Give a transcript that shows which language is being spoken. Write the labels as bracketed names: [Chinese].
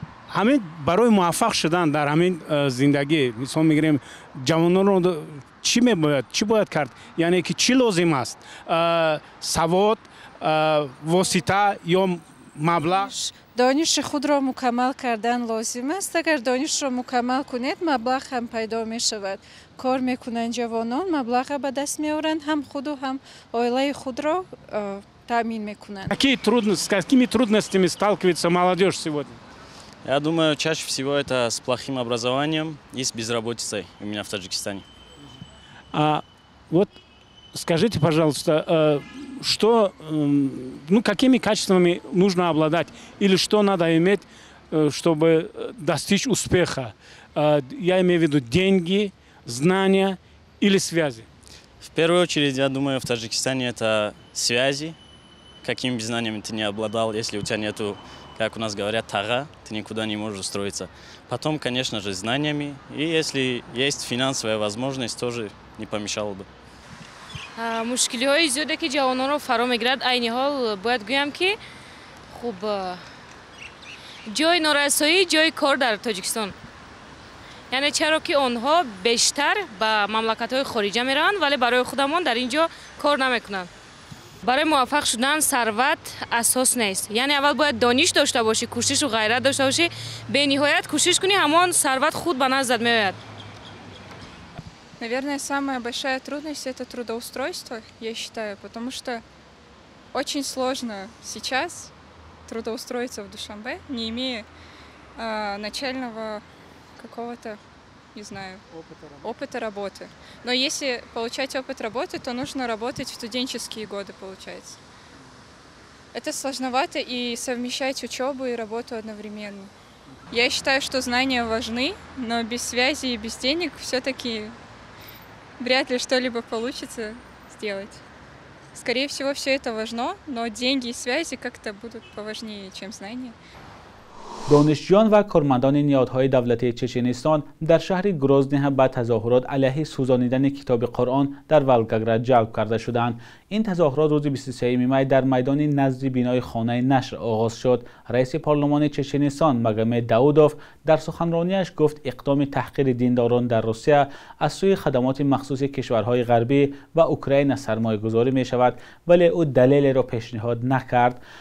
[Tajik] همین برای موفق شدن در همین زندگی مثلا میگیریم جوانان را چی میباید، چی باید کرد؟ یعنی که چی لازم است؟ سواد، واسطه یا مبلغ؟ دانش خود را مکمل کردن لازم است. اگر دانش را مکمل کنید مبلغ هم پیدا می شود. کار میکنند جوانان، مبلغ را به دست می آورند، هم خود و هم آیله خود را تامین میکنند. [Russian] Какими трудностями сталкивается молодежь сегодня? Я думаю, чаще всего это с плохим образованием и с безработицей у меня в Таджикистане. А вот скажите, пожалуйста, что, ну, какими качествами нужно обладать или что надо иметь, чтобы достичь успеха? Я имею в виду деньги, знания или связи? В первую очередь, я думаю, в Таджикистане это связи, какими бы знаниями ты не обладал, если у тебя нету, как у нас говорят, тага, ты никуда не можешь устроиться. Потом, конечно же, знаниями. И если есть финансовая возможность, тоже не помешало бы. [Tajik] Мушкилиҳои зиёде ки ҷавононро фаро мегирад, айни ҳол бояд гӯям ки хуб ҷои норасоӣ, ҷои кор дар Тоҷикистон. Яъне чаро ки онҳо бештар ба мамлакатҳои хориҷа мераванд, вале барои худамон дар инҷо кор намекунанд. Барои муваффақ шудан сарват асос нест. Яъне аввал бояд дониш дошта бошӣ, кӯшишу ғайрат дошта бошӣ, бениҳоят кӯшиш кунӣ, ҳамон сарват худ ба назад меояд. [Russian] Наверное, самая большая трудность – это трудоустройство, я считаю, потому что очень сложно сейчас трудоустроиться в Душанбе, не имея начального какого-то, не знаю, опыта работы. Но если получать опыт работы, то нужно работать в студенческие годы, получается. Это сложновато и совмещать учебу и работу одновременно. Я считаю, что знания важны, но без связи и без денег все-таки вряд ли что-либо получится сделать. Скорее всего, все это важно, но деньги и связи как-то будут поважнее, чем знания. [Tajik] دانشجویان و کارمندان نیادهای دولتی چچنستان در شهر گروزنی با تظاهرات علیه سوزانیدن کتاب قرآن در ولگاگراد جلب کرده شدند. این تظاهرات روز 23 می در میدان نزد بنای خانه نشر آغاز شد. رئیس پارلمان چچنستان مگمه داودوف در سخنرانیش گفت اقدام تحقیر دینداران در روسیه از سوی خدمات مخصوص کشورهای غربی و اوکراین سرمایه گذاری می شود، ولی او دلیل را پیشنهاد نکرد.